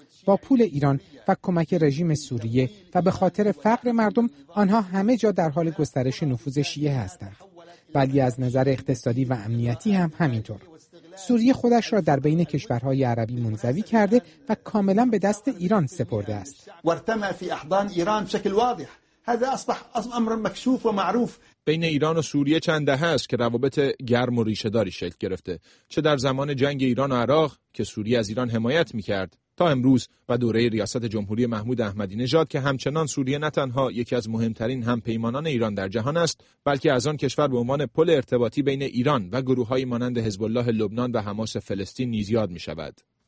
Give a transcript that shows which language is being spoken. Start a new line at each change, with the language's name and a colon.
Persian: با پول ایران و کمک رژیم سوریه و به خاطر فقر مردم، آنها همه جا در حال گسترش نفوذ شیعه هستند. ولی از نظر اقتصادی و امنیتی هم همینطور. سوریه خودش را در بین کشورهای عربی منزوی کرده و کاملا به دست ایران سپرده است.
Arabic: ورتما في احضان ایران بشكل واضح هذا اصبح امر مكشوف ومعروف.
Persian: بین ایران و سوریه چند دهه است که روابط گرم و ریشه‌داری شکل گرفته، چه در زمان جنگ ایران و عراق که سوریه از ایران حمایت می‌کرد، تا امروز و دوره ریاست جمهوری محمود احمدی نژاد، که همچنان سوریه نه تنها یکی از مهمترین همپیمانان ایران در جهان است، بلکه از آن کشور به عنوان پل ارتباطی بین ایران و گروه‌های مانند حزب الله لبنان و حماس فلسطین نیز یاد می‌شود.